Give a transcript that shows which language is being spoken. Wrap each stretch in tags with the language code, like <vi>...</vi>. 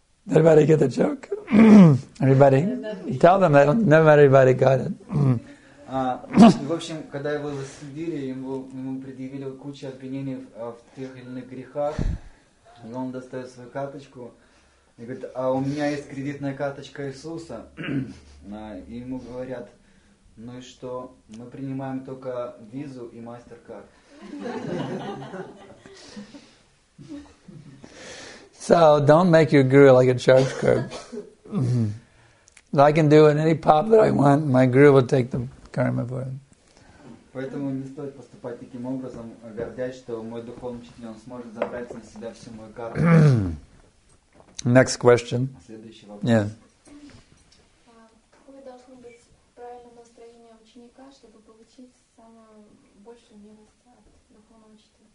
<en>Everybody get the joke? Everybody? Tell them, I don't know, everybody got it.</en> <ru>В общем, когда его засудили, ему предъявили кучу обвинений в тех или иных грехах, и он достает свою карточку и говорит, а у меня есть кредитная карточка Иисуса. И ему говорят, ну и что, мы принимаем только визу и мастер-карт.</ru> <en>So don't make your guru like a charge card. Mm-hmm. I can do it in any pop that I want, my guru will take the karma for it.</en> <ru>Поэтому не стоит поступать таким образом, гордясь, что мой духовный учитель он сможет забрать на себя всю мою карму.</ru> <en>Next question.</en> <ru>Следующий вопрос.</ru> <en>Yeah.</en> <ru>Какое должно быть правильное настроение ученика, чтобы получить самое большее милость от духовного учителя?</ru>